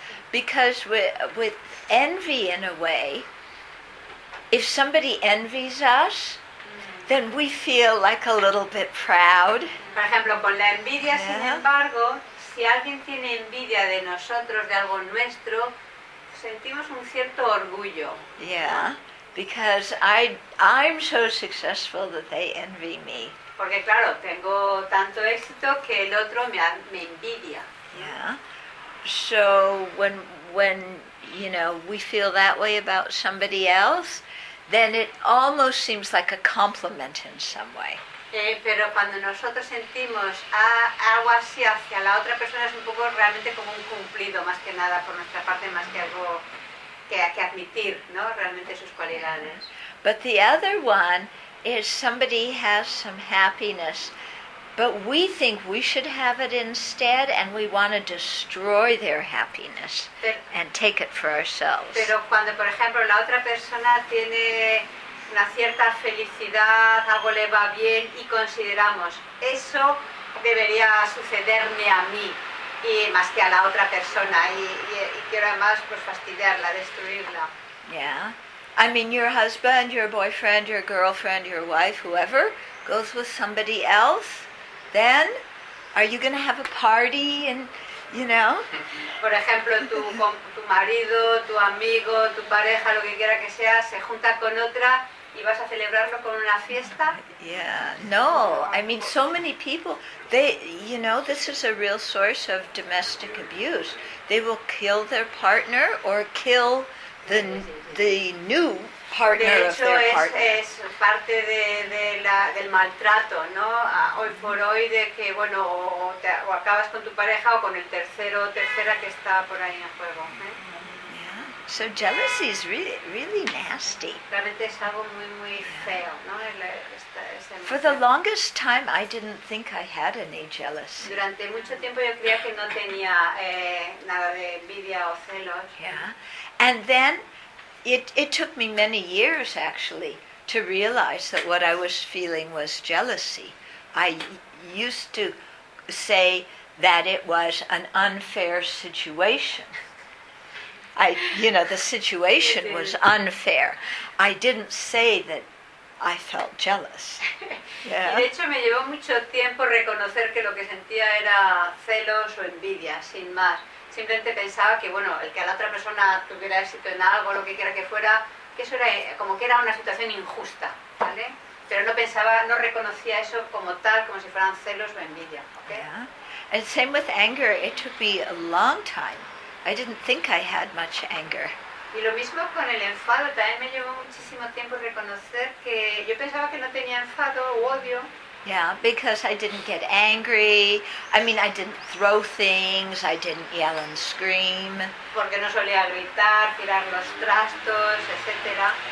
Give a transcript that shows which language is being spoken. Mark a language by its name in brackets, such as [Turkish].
[English] Because with envy, in a way, if somebody envies us, then we feel like a little bit proud. For example, [Spanish] con la envidia, sin embargo, si alguien tiene envidia de nosotros, de algo nuestro, sentimos un cierto orgullo. [English] Yeah, because I'm so successful that they envy me. [Spanish] Porque claro, tengo tanto éxito que el otro me envidia. [English] Yeah. So when when, you know, we feel that way about somebody else, then it almost seems like a compliment in some way. [Spanish] Pero cuando nosotros sentimos algo así hacia la otra persona es un poco realmente como un cumplido más que nada por nuestra parte, más que algo que admitir, ¿no? Realmente sus cualidades. [English] But the other one is somebody has some happiness, but we think we should have it instead, and we want to destroy their happiness and take it for ourselves. [Spanish] Pero cuando, por ejemplo, la otra persona tiene una cierta felicidad, algo le va bien, y consideramos eso debería sucederme a mí, y más que a la otra persona, y quiero además pues fastidiarla, destruirla. [English] Yeah. I mean, your husband, your boyfriend, your girlfriend, your wife, whoever, goes with somebody else, then are you going to have a party and, you know? [Spanish] Por ejemplo, tu marido, tu amigo, tu pareja, lo que quiera que sea, se junta con otra y vas a celebrarlo con una fiesta? [English] Yeah, no. I mean, so many people, they, you know, this is a real source of domestic abuse. They will kill their partner or kill the new partner of their [Spanish] partner. De hecho, es parte del maltrato, ¿no? Hoy por hoy, de que, bueno, o acabas con tu pareja o con el tercero o tercera que está por ahí en juego. ¿Eh? [English] Yeah. So jealousy is really, really nasty. [Spanish] Realmente es algo muy, muy feo, ¿no? [English] For the longest time, I didn't think I had any jealousy. [Spanish] Durante mucho tiempo yo creía que no tenía nada de envidia o celos. [English] Yeah. And then it took me many years actually to realize that what I was feeling was jealousy. I used to say that it was an unfair situation. The situation was unfair. I didn't say that I felt jealous. Yeah. [Spanish] De hecho, me llevó mucho tiempo reconocer que lo que sentía era celos o envidia, sin más. Simplemente pensaba que, bueno, el que a la otra persona tuviera éxito en algo, lo que quiera que fuera, que eso era como que era una situación injusta, ¿vale? Pero no pensaba, no reconocía eso como tal, como si fueran celos o envidia, ¿okay? [English] Yeah. And same with anger, it took me a long time. I didn't think I had much anger. [Spanish] Y lo mismo con el enfado, también me llevó muchísimo tiempo reconocer que yo pensaba que no tenía enfado o odio. [English] Yeah, because I didn't get angry. I mean, I didn't throw things, I didn't yell and scream. [Spanish] Porque no solía gritar, tirar los trastos, etcétera.